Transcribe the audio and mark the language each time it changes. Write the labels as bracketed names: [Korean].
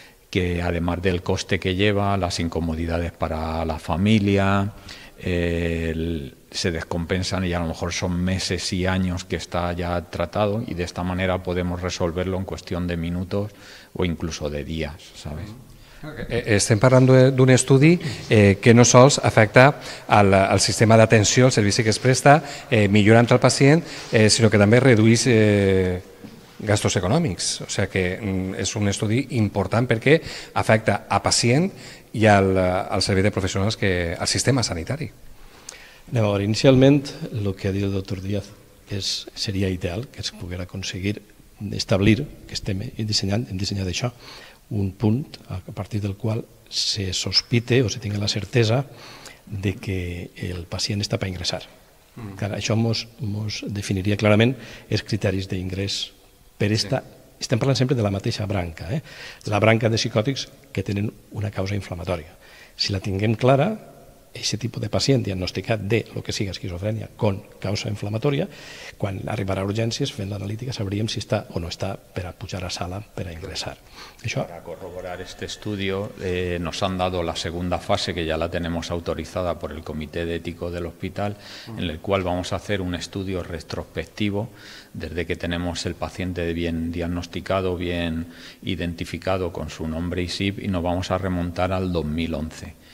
[Spanish] que, además del coste que lleva, las incomodidades para la familia, se descompensan y a lo mejor son meses y años que está ya tratado, y de esta manera podemos resolverlo en cuestión de minutos o incluso de días, ¿sabes? [Catalan] Estem parlant d'un estudi que no sols afecta al sistema d'atenció, el servici que es presta, millorant el pacient, sinó que també reduïs gastos econòmics. O sigui que és un estudi important perquè afecta a pacient i al servei de professionals, que al sistema sanitari. Llavors, inicialment, el que ha dit el doctor Díaz, que seria ideal que es pogués aconseguir establir, que estem dissenyant això, un punt a partir del qual se sospite o se tingui la certesa de que el pacient està per ingressar. Això ens definiria clarament els criteris d'ingrés. Estem parlant sempre de la mateixa branca, la branca de psicòtics que tenen una causa inflamatòria. Si la tinguem clara, aquest tipus de pacient diagnosticat de lo que sigui esquizofrènia con causa inflamatòria, quan arribarà a urgències, fent l'analítica, sabríem si està o no està per a pujar a sala, per a ingressar. [Spanish] Para corroborar este estudio, nos han dado la segunda fase, que ya la tenemos autorizada por el Comité de Ético del Hospital, en el cual vamos a hacer un estudio retrospectivo desde que tenemos el paciente bien diagnosticado, bien identificado con su nombre y SIP, y nos vamos a remontar al 2011.